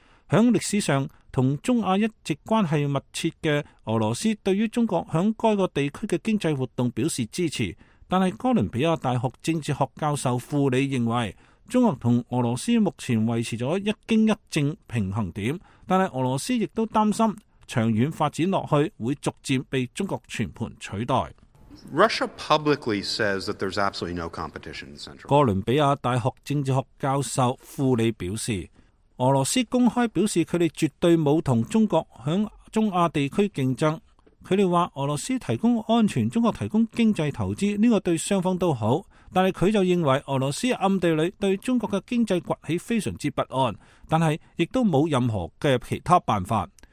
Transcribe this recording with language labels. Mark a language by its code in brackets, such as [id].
[zh] 在历史上和中亚一直关系密切的俄罗斯对于中国在该个地区的经济活动表示支持，但是哥伦比亚大学政治学教授库里认为，中国和俄罗斯目前维持了一经一政平衡点，但是俄罗斯亦都担心长远发展下去会逐渐被中国全盘取代。 [en] Russia publicly says that there's absolutely no competition in Central. [zh] 哥伦比亚大学政治学教授库里表示，俄罗斯公开表示他们绝对没有和中国在中亚地区竞争。他们说俄罗斯提供安全，中国提供经济投资，这个对双方都好。但是他就认为俄罗斯暗地里对中国的经济崛起非常之不安，但是亦都没有任何的其他办法。